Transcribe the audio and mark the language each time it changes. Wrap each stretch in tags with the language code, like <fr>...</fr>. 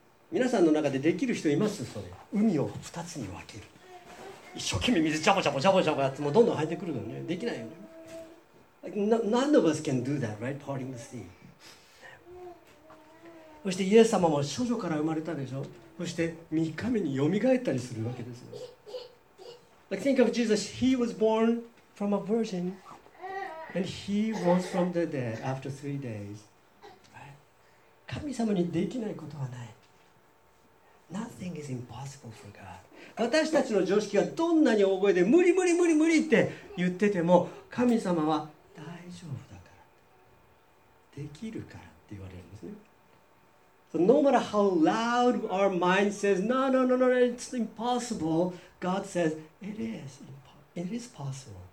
<ja>皆さんの中でできる人います？それ海を二つに分ける、一生懸命水ジャボジャボってもうどんどん入ってくるのね。できないよね。</ja> <en>Like, none of us can do that, right? Parting the sea.</en> <ja>そしてイエス様も処女から生まれたでしょ。そして3日目によみがえったりするわけですよ。</ja> <en>Like, think of Jesus. He was born from a virgin and he rose from the dead after three days.</en> <ja>神様にできないことはない。</ja> <en>Nothing is impossible for God.</en> <ja>私たちの常識がどんなに大声で無理無理無理無理って言ってても神様は大丈夫だから、できるからって言われるんですね。</ja> <en>So no matter how loud our mind says, no, no, no, no, it's impossible, God says, it is possible.</en>